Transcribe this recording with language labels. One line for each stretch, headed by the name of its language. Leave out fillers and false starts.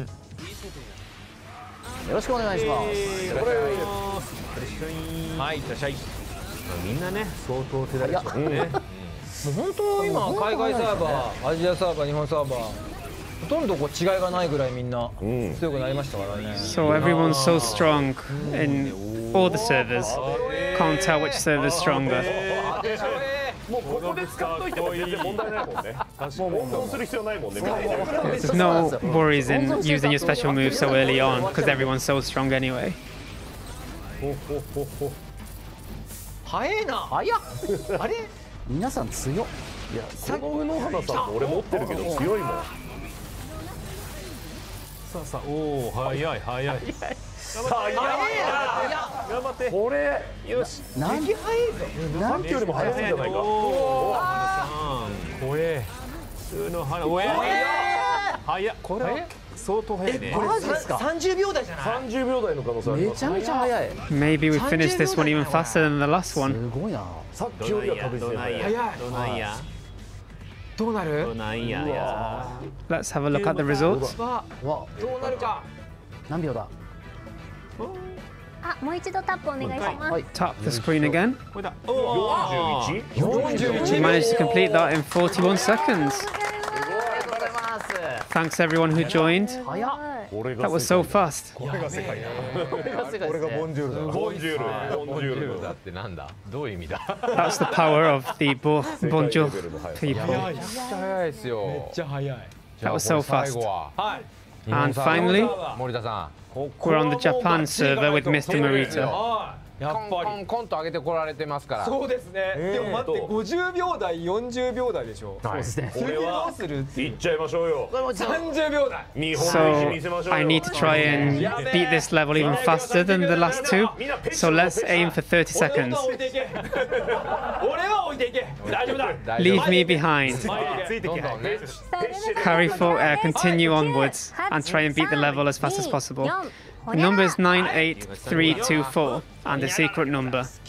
Japanese: よろしくお願いします。よろしくお願いします。はい、いらっしゃい。みんなね、相当手だれですね。もう本当今海外サーバー、アジアサーバー、日本サーバーほとんどこう違いがないぐらいみんな強くなりましたからね。
English: So everyone's so strong in all the servers. Can't tell which server is stronger.
Japanese: もうここで使っといても全然問題ないもんね。温存する必要ないもんね。
English: There's no worries in using your special move so early on because everyone's so strong anyway.
Japanese: はえな。あや。あれ。皆さん強っ。いや、この宇野花さんも俺持ってるけど強いもん。さあさあ、おー、早い早い。早い。早いな。頑張って。これ、よし。何気早いぞ。さっきよりも早いんじゃないか。おー、宇野花さん、怖え。宇野花、おえ。早い。これは相当早いね。え、これマジですか？30秒台じゃない？30秒台の可能性あります。めちゃめちゃ早い。
English: Maybe we finish this one even faster than the last one.
Japanese: すごいな。さっきよりは確実に早い。どうなんや。どうなる？どうなんや。
English: Let's have a look at the results.
Japanese: わ、どうなるか。何秒だ？あ、もう一度タップお願いします。
English: Tap the screen again.
Japanese: これだ。 41。
English: Managed to complete that in 41 seconds. Thanks everyone who joined. That was so fast. That's the power of the Bonjour people. That was so fast. And finally, we're on the Japan server with Mr. Morita.
Japanese: やっぱりコンコンコンと上げてこられてますからそうですね、でも待って50秒台40秒台でしょ、はい、そうですねこれはどうするっていっちゃいましょうよ 30秒台日本の石見せましょうよ
English: So I need to try and beat this level even faster than the last two So let's aim for 30 seconds
Japanese: 俺は置いていけ俺は置いていけ大丈夫だ
English: Leave me behind
Japanese: ついてきて、ね、
English: Carry forward, continue onwards and try and beat the level as fast as possible The number is 98324 and the secret number.